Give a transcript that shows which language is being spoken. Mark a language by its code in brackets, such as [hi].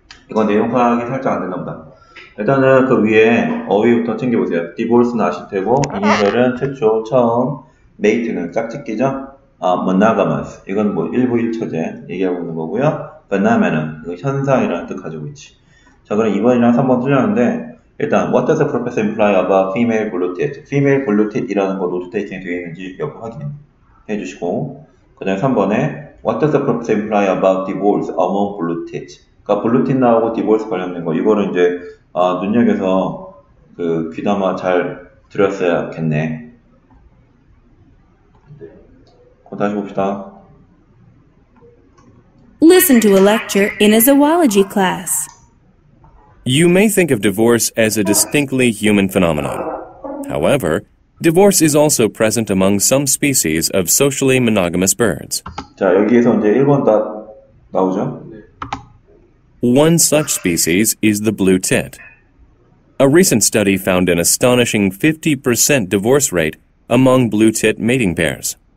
[ko] 이건 내용 파악이 살짝 안 됐나 보다. 일단은 그 위에 어휘부터 챙겨보세요. Divorce는 아실 테고, 이니셜은 최초, 처음, 메이트는 짝짓기죠. 아, monogamous 이건 뭐 일부일처제 얘기하고 있는 거고요. Phenomenon 현상이라는 뜻 가지고 있지. 자, 그럼 2번이랑 3번 틀렸는데, 일단 [en] What does the professor imply about female blue tit? [ko] female blue tit 이라는 거 노트테이킹 되어 있는지 여부 확인해 주시고, 그 다음 3번에 [en] What does the professor imply about divorce among blue tit? [ko] 그러니까 blue tit 나오고 divorce 관련된 거, 이거를 이제 아, 눈여겨서 그 귀담아 잘 들었어야겠네. 그거 다시 봅시다. [en] Listen to a lecture in a zoology class. You may think of divorce as a distinctly human phenomenon. However, Divorce is also present among some species of socially monogamous birds. [ko] 자, 여기에서 이제 1번 답 나오죠? [en] One such species is the blue tit. A recent study found an astonishing 50% divorce rate among blue tit mating pairs.